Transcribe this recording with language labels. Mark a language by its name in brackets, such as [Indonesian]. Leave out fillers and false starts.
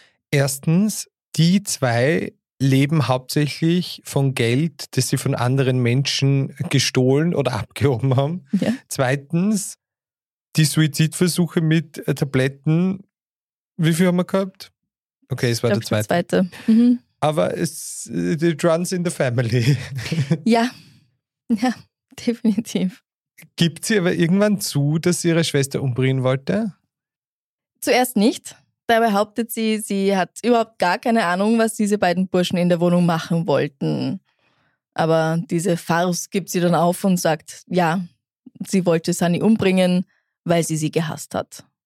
[German] Erstens, die zwei leben hauptsächlich von Geld, das sie von anderen Menschen gestohlen oder abgehoben haben. Ja. Zweitens, die Suizidversuche mit Tabletten, wie viel haben wir gehabt? Okay, es war der zweite. Aber es [English] it runs in the family. [German] Ja, ja, definitiv. Gibt sie aber irgendwann zu, dass sie ihre Schwester umbringen wollte? Zuerst nicht. Da behauptet sie, sie hat überhaupt gar keine Ahnung, was diese beiden Burschen in der Wohnung machen wollten. Aber diese Farce gibt sie dann auf und sagt, ja, sie wollte Sunny umbringen, weil sie sie gehasst hat.